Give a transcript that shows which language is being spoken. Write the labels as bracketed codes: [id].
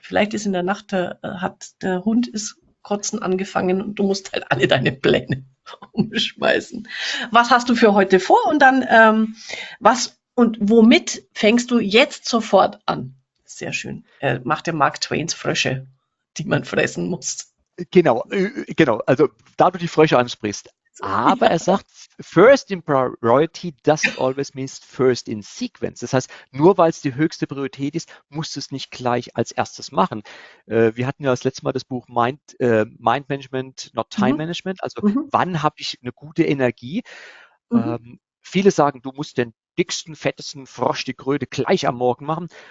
[de] Vielleicht ist in der Nacht hat der Hund ist Kotzen angefangen und du musst halt alle deine Pläne umschmeißen. Was hast du für heute vor? Und dann, und womit fängst du jetzt sofort an? Sehr schön. Macht der Mark Twains Frösche, die man fressen muss. Genau, also da du die Frösche ansprichst, [en] Aber er sagt, first in priority doesn't always mean first in sequence. [de] Das heißt, nur weil es die höchste Priorität ist, musst du es nicht gleich als erstes machen. Wir hatten ja das letzte Mal das Buch Mind Management, not Time Management. Also, wann habe ich eine gute Energie? Viele sagen, du musst den dicksten, fettesten Frosch, die Kröte gleich am Morgen machen.